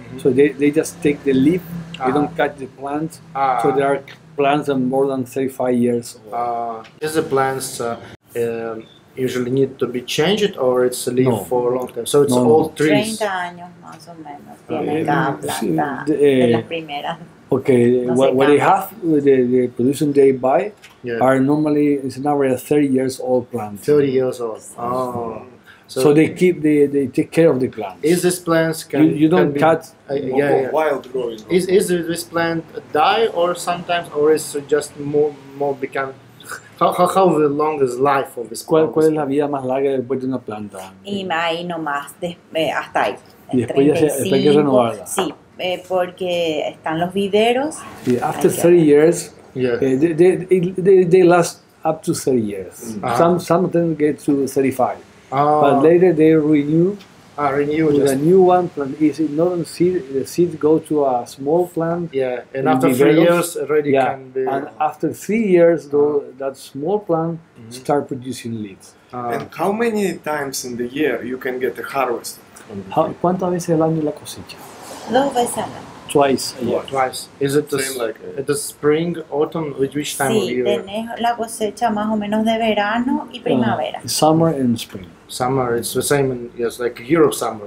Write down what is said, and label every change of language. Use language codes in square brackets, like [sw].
[en] So they just take the leaf, they don't cut the plant. So there are plants that are more than 35 years old. These plants usually need to be changed, or it's a leaf for a long time? So it's old trees. [es] 30 años más o menos tienen cada planta de las primeras. [en] Okay, no what they have, the production they buy, are normally, it's an average of 30 years old plants. 30 years old. So they keep they take care of the plants. Is this plant wild growing? Is this plant die or sometimes or is it just more become how long is life of this plant? [es] ¿Cuál es la vida más larga después de una planta? Y ahí nomás hasta ahí. Y después ya hay que renovarla. Sí, porque están los viveros. [en] Yeah, after 30 years, they last up to 30 years. Mm-hmm. Some of them get to 35. But later they renew with a new one plant. Is it not seed? The seeds go to a small plant. Yeah, and after 3 years already can be. And after 3 years, though, that small plant start producing leaves. And how many times in the year you can get a harvest? [es] ¿Cuántas veces al año la cosecha? Dos veces al año. [en] Twice a year. Twice. Is it the spring, autumn, which time of year? [es] Sí, tenés la cosecha más o menos de verano y primavera. [en] Summer and spring. Summer is the same in like Europe summer.